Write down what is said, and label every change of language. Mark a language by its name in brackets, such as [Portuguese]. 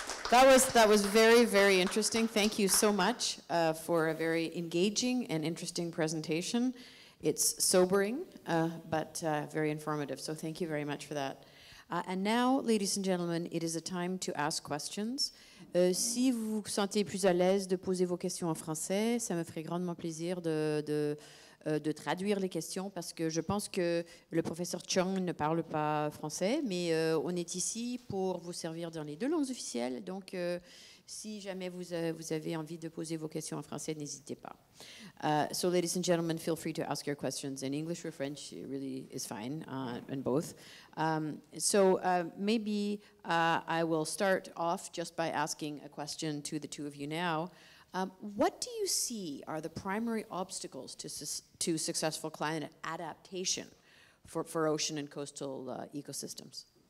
[English] That was very, very interesting. Thank you so much for a very engaging and interesting presentation. It's sobering, but very informative. So thank you very much for that. And now, ladies and gentlemen, it is a time to ask questions. [French] Si vous vous sentez plus à l'aise de poser vos questions en français, ça me ferait grandement plaisir de traduire les questions, parce que je pense que le professeur Chung ne parle pas français, mais on est ici pour vous servir dans les deux langues officielles, donc si jamais vous avez envie de poser vos questions en français, n'hésitez pas. [English] So ladies and gentlemen, feel free to ask your questions in English or French, it really is fine, in both. So maybe I will start off just by asking a question to the two of you now. What do you see are the primary obstacles to successful climate adaptation for ocean and coastal ecosystems?